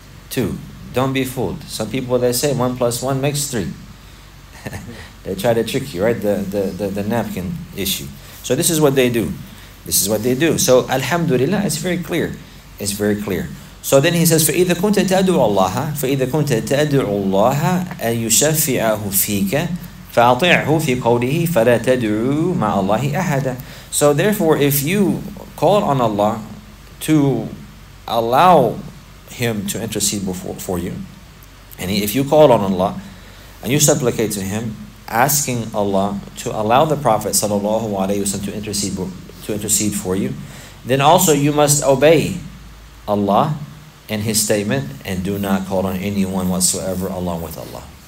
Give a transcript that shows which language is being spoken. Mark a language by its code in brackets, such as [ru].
[en] 1 + 1 = 2. Don't be fooled. Some people, they say 1 + 1 = 3. They try to trick you, right? The napkin issue. So this is what they do. This is what they do. So alhamdulillah, it's very clear. It's very clear. So then he says, [ar] فَإِذَا كُنْتَ تَأْدُعُ اللَّهَ فَإِذَا كُنْتَ تَأْدُعُ اللَّهَ أَيُشَفِّعَهُ فِيكَ فَأَطِعْهُ فِي قَوْلِهِ فَلَا تَدْعُوا مَعَ اللَّهِ أَحَدًا. [en] So therefore, if you call on Allah to allow him to intercede before for you, and if you call on Allah and you supplicate to him, asking Allah to allow the Prophet sallallahu alaihi wasallam to intercede for you, then also you must obey Allah and his statement and do not call on anyone whatsoever along with Allah.